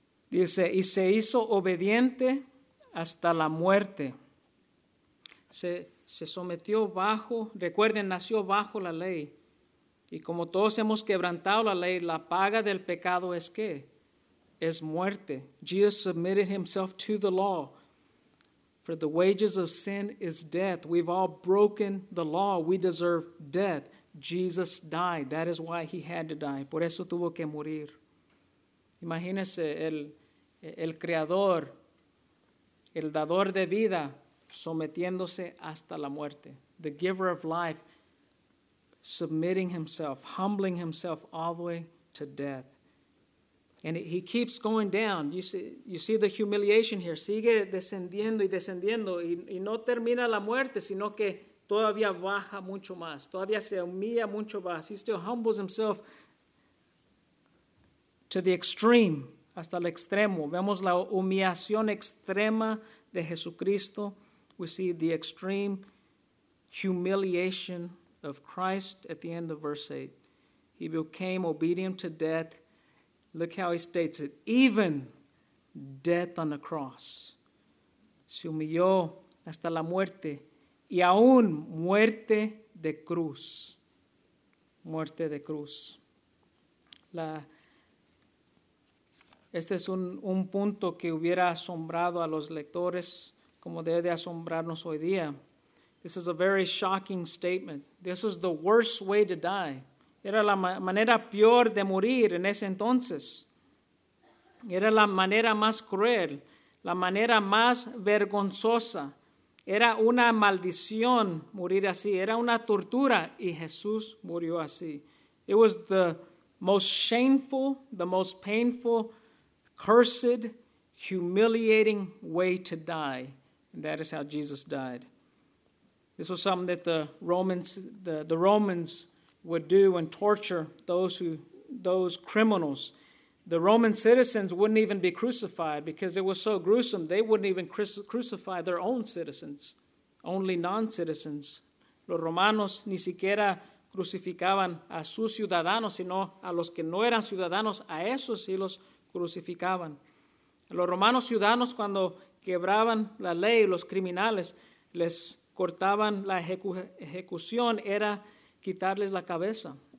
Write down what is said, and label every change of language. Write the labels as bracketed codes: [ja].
[es] Dice, y se hizo obediente hasta la muerte. Se sometió bajo, recuerden, nació bajo la ley. Y como todos hemos quebrantado la ley, la paga del pecado es ¿qué? Es muerte. [en] Jesus submitted himself to the law. For the wages of sin is death. We've all broken the law. We deserve death. Jesus died. That is why he had to die. [es] Por eso tuvo que morir. Imagínense, el creador, el dador de vida, sometiéndose hasta la muerte. [en] The giver of life, submitting himself, humbling himself all the way to death. And he keeps going down. You see the humiliation here. [es] Sigue descendiendo y descendiendo. Y no termina la muerte, sino que todavía baja mucho más. Todavía se humilla mucho más. [en] He still humbles himself to the extreme, [es] hasta el extremo. Vemos la humillación extrema de Jesucristo. [en] We see the extreme humiliation of Christ at the end of verse 8. He became obedient to death. Look how he states it, even death on the cross. [es] Se humilló hasta la muerte, y aún muerte de cruz. Muerte de cruz. Este es un punto que hubiera asombrado a los lectores, como debe asombrarnos hoy día. [en] This is a very shocking statement. This is the worst way to die. [es] Era la manera peor de morir en ese entonces. Era la manera más cruel, la manera más vergonzosa. Era una maldición morir así. Era una tortura y Jesús murió así. [en] It was the most shameful, the most painful, cursed, humiliating way to die. And that is how Jesus died. This was something that the Romans would do and torture those criminals. The Roman citizens wouldn't even be crucified because it was so gruesome. They wouldn't even crucify their own citizens, only non-citizens. [es] Los romanos ni siquiera crucificaban a sus ciudadanos, sino a los que no eran ciudadanos, a esos sí los crucificaban. Los romanos ciudadanos, cuando quebraban la ley, los criminales, les cortaban la ejecución, era quitarles la cabeza.